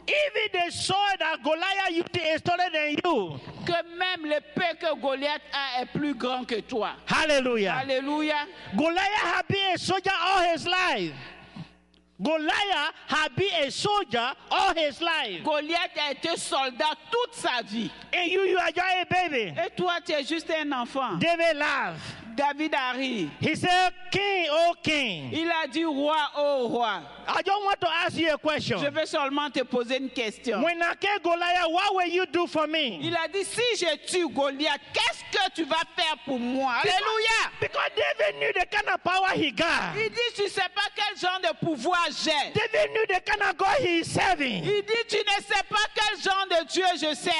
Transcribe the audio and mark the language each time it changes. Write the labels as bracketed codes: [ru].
[en] Even the sword that Goliath used is taller than you. [fr] Que même l'épée que Goliath a est plus grand que toi. [en] Hallelujah. [fr] Hallelujah. [en] Goliath had been a soldier all his life. Goliath had been a soldier all his life. [fr] Goliath a été soldat toute sa vie. [en] And you are just a baby. [fr] Et toi, tu es juste un enfant. [en] David laughed. [fr] David a ri. [en] He said, "King, oh king." [fr] Il a dit, roi, oh roi. [en] I don't want to ask you a question. [fr] Je veux seulement te poser une question. [en] When I kill Goliath, what will you do for me? [fr] Il a dit, si je tue Goliath, qu'est-ce que tu vas faire pour moi? Alléluia! [en] Because David knew the kind of power he got. [fr] Il dit, tu sais pas quel genre de pouvoir j'ai. [en] David knew the kind of God he is serving. [fr] Il dit, tu ne sais pas quel genre de Dieu je sers.